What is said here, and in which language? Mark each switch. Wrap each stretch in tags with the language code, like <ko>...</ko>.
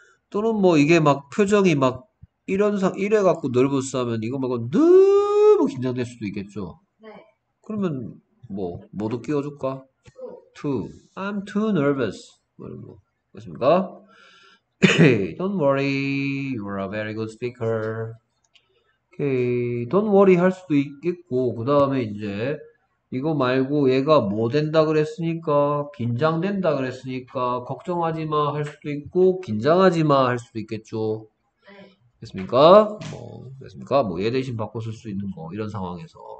<ko>또는 뭐 이게 막 표정이 막 이런상 이래 갖고 넓었으면 이거 말고 너무 긴장될 수도 있겠죠. 그러면 뭐 뭐도 끼워줄까?</ko> <en>too. I'm too nervous.</en> <ko>뭐라고 그랬습니까?</ko> <en>Don't worry, you are a very good speaker. Okay, don't worry</en> <ko>할 수도 있겠고, 그 다음에 이제 이거 말고 얘가 뭐 된다 그랬으니까, 긴장된다 그랬으니까, 걱정하지 마할 수도 있고, 긴장하지 마할 수도 있겠죠. 됐습니까? 뭐, 얘 대신 바꿔 쓸수 있는 거, 이런 상황에서.</ko>